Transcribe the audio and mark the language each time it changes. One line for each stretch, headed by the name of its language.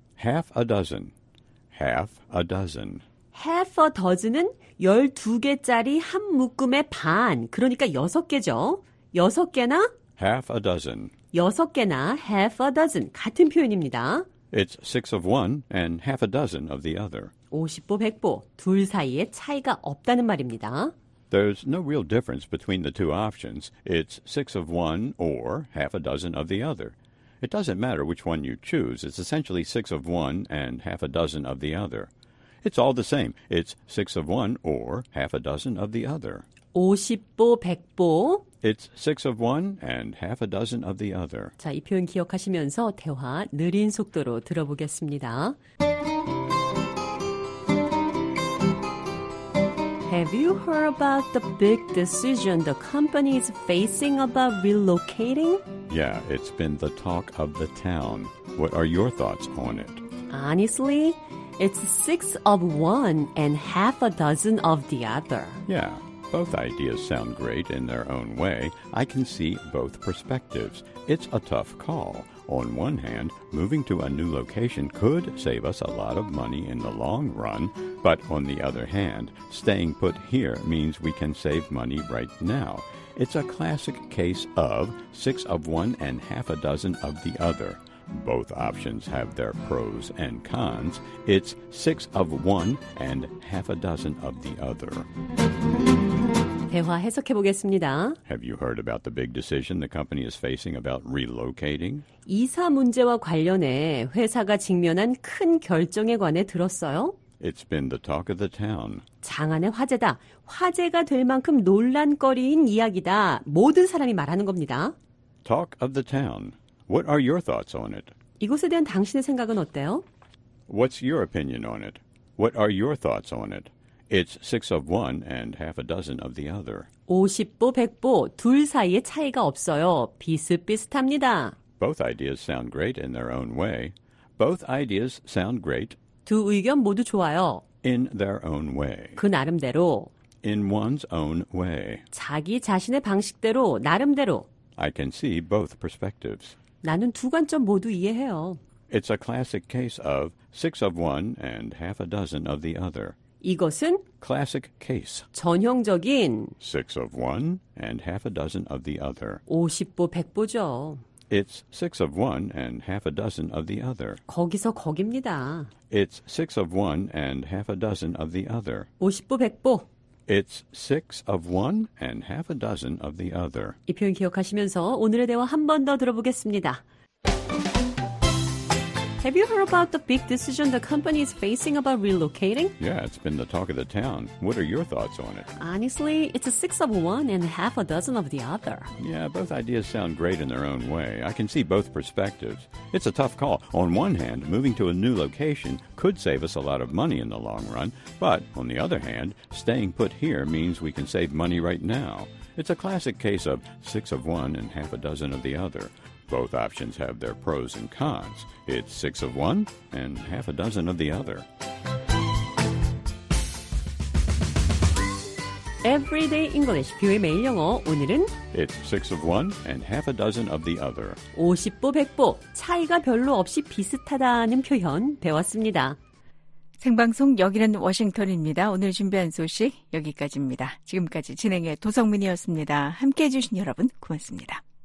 English: Half a dozen. Half a dozen. Half a dozen
Korean: 은 12개짜리 한 묶음의 반, 그러니까 여섯 개죠. 여섯 개나.
English: Half a dozen.
Korean: 여섯 개나
English: half a dozen.
Korean: 같은 표현입니다.
English: It's six of one and half a dozen of the other.
Korean: 50보, 100보. 둘 사이에 차이가 없다는 말입니다.
English: There's no real difference between the two options. It's six of one or half a dozen of the other. It doesn't matter which one you choose. It's essentially six of one and half a dozen of the other. It's all the same. It's six of one or half a dozen of the other.
Korean: 50보, 100보.
English: It's six of one and half a dozen of the other.
Korean: 자, 이 표현 기억하시면서 대화 느린 속도로 들어보겠습니다.
English: Have you heard about the big decision the company is facing about relocating? Yeah, it's been the talk of the town. What are your thoughts on it? Honestly, it's six of one and half a dozen of the other. Yeah, both ideas sound great in their own way. I can see both perspectives. It's a tough call. On one hand, moving to a new location could save us a lot of money in the long run. But on the other hand, staying put here means we can save money right now. It's a classic case of six of one and half a dozen of the other. Both options have their pros and cons. It's six of one and half a dozen of the other.
Korean: 대화 해석해 보겠습니다.
English: Have you heard about the big decision the company is facing about relocating?
Korean: 이사 문제와 관련해 회사가 직면한 큰 결정에 관해 들었어요.
English: It's been the talk of the town.
Korean: 장안의 화제다. 화제가 될 만큼 논란거리인 이야기다. 모든 사람이 말하는 겁니다.
English: Talk of the town. What are your thoughts on it?
Korean: 이곳에 대한 당신의 생각은 어때요?
English: What's your opinion on it? What are your thoughts on it? It's six of one and half a dozen of the other.
Korean: 50보, 100보, 둘 사이에 차이가 없어요. 비슷비슷합니다.
English: Both ideas sound great in their own way. Both ideas sound great.
Korean: 두 의견 모두 좋아요.
English: In their own way.
Korean: 그 나름대로.
English: In one's own way.
Korean: 자기 자신의 방식대로, 나름대로.
English: I can see both perspectives.
Korean: 나는 두 관점 모두 이해해요.
English: It's a classic case of six of one and half a dozen of the other.
Korean: 이것은
English: classic case.
Korean: 전형적인
English: six of one and half a dozen of the other.
Korean: 50보 100보죠.
English: It's six of one and half a dozen of the other.
Korean: 거기서 거기입니다.
English: It's six of one and half a dozen of the other.
Korean: 50보 100보.
English: It's six of one and half a dozen of the other.
Korean: 이 표현 기억하시면서 오늘의 대화 한 번 더 들어보겠습니다.
English: Have you heard about the big decision the company is facing about relocating? Yeah, it's been the talk of the town. What are your thoughts on it? Honestly, it's a six of one and half a dozen of the other. Yeah, both ideas sound great in their own way. I can see both perspectives. It's a tough call. On one hand, moving to a new location could save us a lot of money in the long run. But on the other hand, staying put here means we can save money right now. It's a classic case of six of one and half a dozen of the other. Both options have their pros and cons. It's six of one and half a dozen of the other.
Korean: Everyday English, 귀의 매일 영어, 오늘은
English: It's six of one and half a dozen of the other.
Korean: 50보, 100보, 차이가 별로 없이 비슷하다는 표현 배웠습니다. 생방송 여기는 워싱턴입니다. 오늘 준비한 소식 여기까지입니다. 지금까지 진행의 도성민이었습니다. 함께해 주신 여러분 고맙습니다.